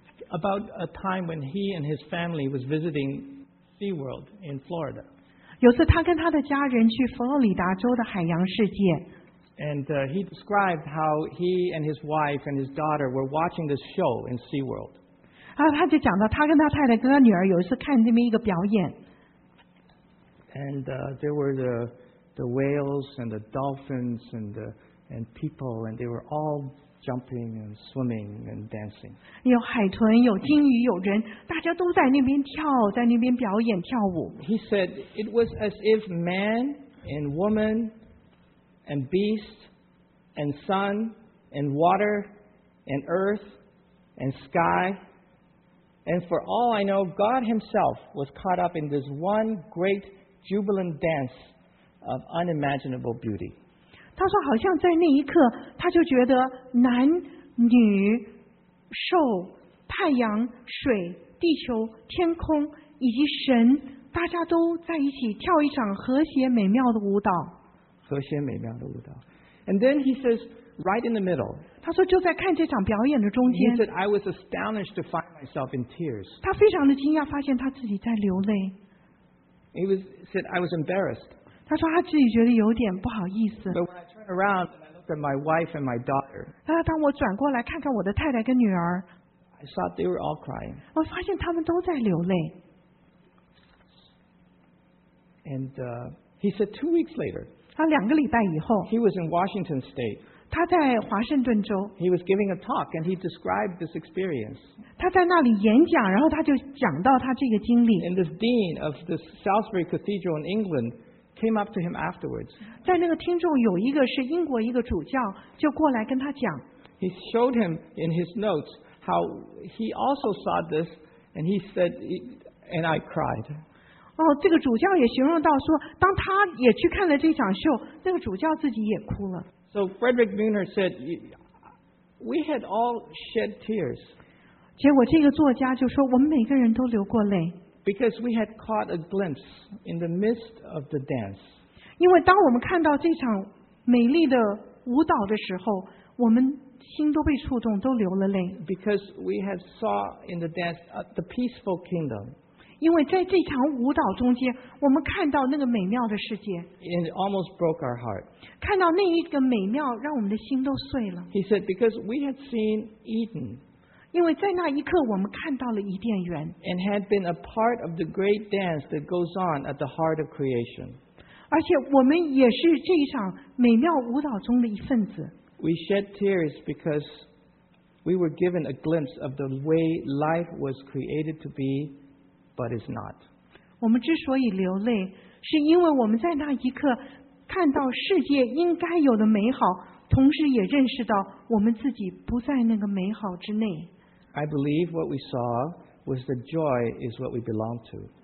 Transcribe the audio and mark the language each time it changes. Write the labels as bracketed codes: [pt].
[en] About a time when he and his family was visiting. SeaWorld in Florida. [zh] 有次他跟他的家人去佛罗里达州的海洋世界。 [en] And he described how he and his wife and his daughter were watching this show in SeaWorld. [zh] 然后他就讲到他跟他太太跟他女儿有一次看这么一个表演。 [en] And there were the whales and the dolphins and people and they were all jumping and swimming and dancing. [zh] 有海豚，有鲸鱼，有人，大家都在那边跳，在那边表演跳舞。 [en] He said it was as if man and woman and beast and sun and water and earth and sky and for all I know, God Himself was caught up in this one great jubilant dance of unimaginable beauty. [zh] 他说好像在那一刻他就觉得男女兽太阳水地球天空以及神大家都在一起跳一场和谐美妙的舞蹈和谐美妙的舞蹈 [en] And then he says right in the middle [zh] 他说就在看这场表演的中间 [en] He said I was astonished to find myself in tears [zh] 他非常的惊讶发现他自己在流泪 [en] He said I was embarrassed [zh] 他说他自己觉得有点不好意思。 [en] But when I turn around and I looked at my wife and my daughter, [zh] 当我转过来看看我的太太跟女儿 [en] I saw they were all crying. [zh] 我发现他们都在流泪。 [en] And he said 2 weeks later, [zh] 他两个礼拜以后 [en] he was in Washington State. [zh] 他在华盛顿州。 [en] He was giving a talk and he described this experience. [zh] 他在那里演讲然后他就讲到他这个经历。 [en] And this dean of the Salisbury Cathedral in England,came up to him afterwards. [zh] 在那个听众有一个是英国一个主教就过来跟他讲。 [en] He showed him in his notes how he also saw this and he said, and I cried. [zh] 哦，这个主教也形容到说当他也去看了这场秀那个主教自己也哭了。 [en] So Frederick Buchner said, we had all shed tears. [zh] 结果这个作家就说我们每个人都流过泪。 [en] Because we had caught a glimpse in the midst of the dance. [zh] 因为当我们看到这场美丽的舞蹈的时候，我们心都被触动，都流了泪。 [en] Because we had saw in the dance the peaceful kingdom. [zh] 因为在这场舞蹈中间，我们看到那个美妙的世界。 [en] And it almost broke our heart. [zh] 看到那一个美妙，让我们的心都碎了。 [en] He said, because we had seen Eden. [zh] 因为在那一刻，我们看到了伊甸园。 [en] And had been a part of the great dance that goes on at the heart of creation. [zh] 而且我们也是这一场美妙舞蹈中的一份子。 [en] We shed tears because we were given a glimpse of the way life was created to be, but is not. [zh] 我们之所以流泪，是因为我们在那一刻看到世界应该有的美好，同时也认识到我们自己不在那个美好之内。 [en] I believe what we saw was the joy is what we belong to.